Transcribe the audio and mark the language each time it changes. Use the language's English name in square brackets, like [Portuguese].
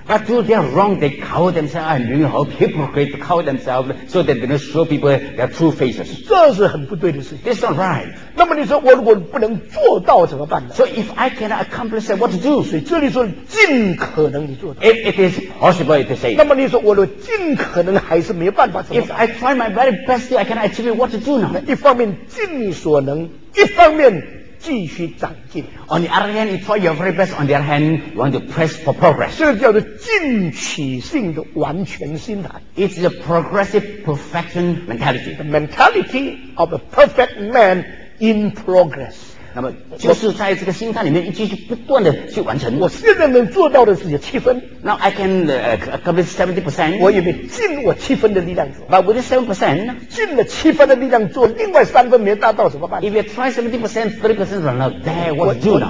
[English] But do they are wrong? They cover themselves. I'm doing all hypocrite to cover themselves so that they don't show people their true faces. [Chinese] 这是很不对的事情。 [English] This is not right. [Chinese] 那么你说我如果不能做到怎么办呢 [English] ？So if I cannot accomplish that, what to do? [Chinese] 所以这里说尽可能你做到。 [English] If it is possible, it is safe. [Chinese] 那么你说我若尽可能还是没有办法怎么办 [English] ？If I try my very best, I cannot achieve it. What to do now? [Chinese] 一方面尽你所能，一方面。继续长进。 [English] On the other hand, you try your very best. On the other hand, you want to press for progress. [Chinese] 这个叫做进取性的完全心态。 [English] It's a progressive perfection mentality. The mentality of a perfect man in progress. [Chinese] 那么就是在这个心态里面，继续不断的去完成。我现在能做到的是有七分。 [English] Now I can accomplish 70%. [Chinese] 我有没有尽我七分的力量做 [English] ？But with 7%, [Chinese] 尽了七分的力量做，另外三分没达到怎么办 [English] ？If you try 70%, 30% run out, there what to do now?